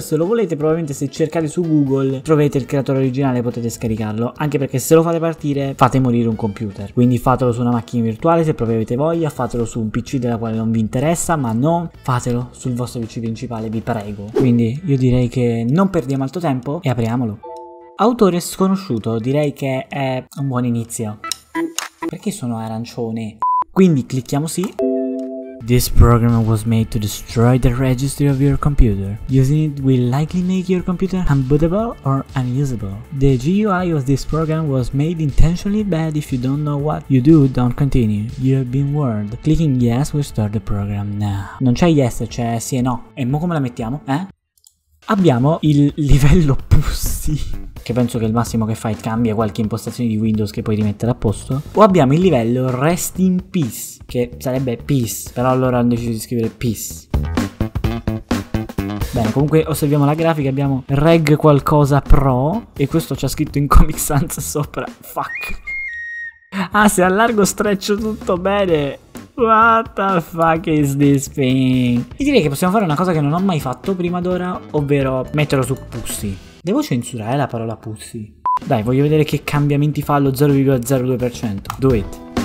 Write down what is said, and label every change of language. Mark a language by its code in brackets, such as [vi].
[it] Se lo volete, probabilmente se cercate su Google troverete il creatore originale, potete scaricarlo, anche perché se lo fate partire fate morire un computer, quindi fatelo su una macchina virtuale se proprio avete voglia, fatelo su un PC della quale non vi interessa, ma non fatelo sul vostro PC principale, vi prego. Quindi io direi che non perdiamo altro tempo e apriamolo. Autore sconosciuto, direi che è un buon inizio. Perché sono arancione? Quindi clicchiamo sì. [en] This program was made to destroy the registry of your computer. Using it will likely make your computer unbootable or unusable. The GUI of this program was made intentionally bad. If you don't know what you do, don't continue. You have been warned. Clicking yes will start the program now. [it] Non c'è yes, c'è sì e no. E mo come la mettiamo, eh? Abbiamo il livello pussy. Che penso che il massimo che fai cambia qualche impostazione di Windows che puoi rimettere a posto. O abbiamo il livello Rest in Peace, che sarebbe Peace, però allora hanno deciso di scrivere Peace. Bene, comunque osserviamo la grafica, abbiamo Reg qualcosa Pro e questo c'è scritto in Comic Sans sopra. Fuck. Ah, se allargo streccio tutto bene. [en] What the fuck is this thing? [it] E direi che possiamo fare una cosa che non ho mai fatto prima d'ora, ovvero metterlo su Pussy. Devo censurare la parola pussy. Dai, voglio vedere che cambiamenti fa allo 0,02%. [en] Do it.